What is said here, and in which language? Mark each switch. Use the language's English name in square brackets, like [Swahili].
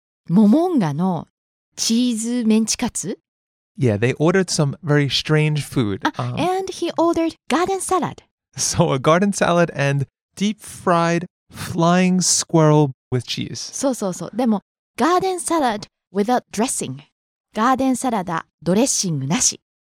[Japanese] モモンガのチーズメンチカツ？ [English] Yeah, they ordered some very strange food. And he ordered garden salad. So a garden salad and deep fried flying squirrel with cheese. [Japanese] そうそうそう。でも、ガーデンサラダ [English] without dressing. [Japanese] ガーデンサラダ、ドレッシングなし。